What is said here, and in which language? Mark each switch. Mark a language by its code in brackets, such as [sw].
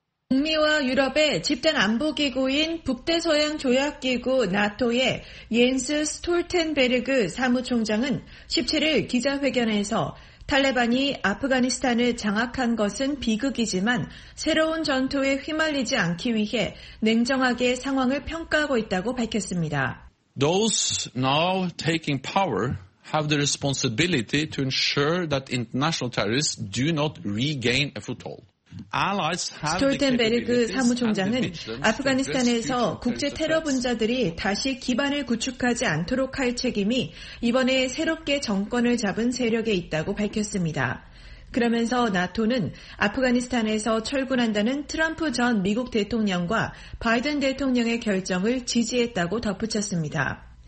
[ko] 북미와 유럽의 집단 안보기구인 북대서양조약기구 나토의 옌스 스톨텐베르그 사무총장은 17일 기자회견에서 탈레반이 아프가니스탄을 장악한 것은 비극이지만 새로운 전투에 휘말리지 않기 위해 냉정하게 상황을 평가하고 있다고 밝혔습니다. [en] Those now taking power have the responsibility to ensure that international terrorists do not regain a foothold. [ko] 스톨텐베르그 사무총장은 아프가니스탄에서 국제 테러 분자들이 다시 기반을 구축하지 않도록 할 책임이 이번에 새롭게 정권을 잡은 세력에 있다고 밝혔습니다. 그러면서 나토는 아프가니스탄에서 철군한다는 트럼프 전 미국 대통령과 바이든 대통령의 결정을 지지했다고 덧붙였습니다.